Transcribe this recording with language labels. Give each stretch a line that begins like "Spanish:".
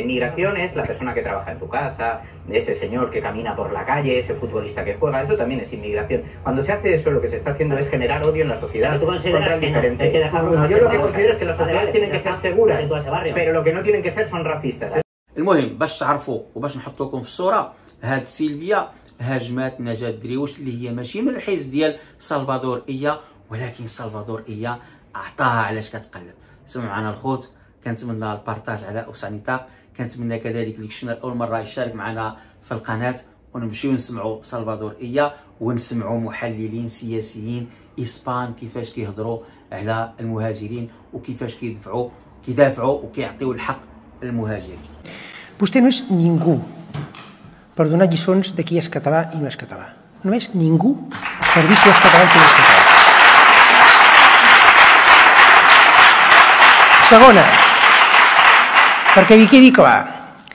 Spanish: Inmigración es la persona que trabaja en tu casa, ese señor que camina por la calle, ese futbolista que juega, eso también es inmigración. Cuando se hace eso, lo que se está haciendo es generar odio en la sociedad. ¿Tú consideras que no? Diferente. Hay que dejarlo. Yo lo que considero es que las sociedades tienen que ser seguras, pero lo que no tienen que ser son racistas.
Arabic: المهم باش تعرفوا وباش نحطوكم في الصورة هاد سيلفيا هجمات نجاة الدريوش اللي هي ماشي من الحزب ديال سلفادور إيا ولكن سلفادور إيا أعطاها علاش كتقلب. سمعنا الخوت، كنتمنى البارتاج على أوسع نطاق، كنتمنى كذلك اللي شفنا لأول مرة يشارك معنا في القناة ونمشيو نسمعوا سلفادور إيا ونسمعوا محللين سياسيين إسبان كيفاش كيهضروا على المهاجرين وكيفاش كيدافعوا وكيعطيوا الحق للمهاجرين.
Catalan: Vostè no és ningú per donar lliçons de qui és català i no és català. No és ningú per dir qui és català i qui no és català. Segona. Perquè vi quedi clar.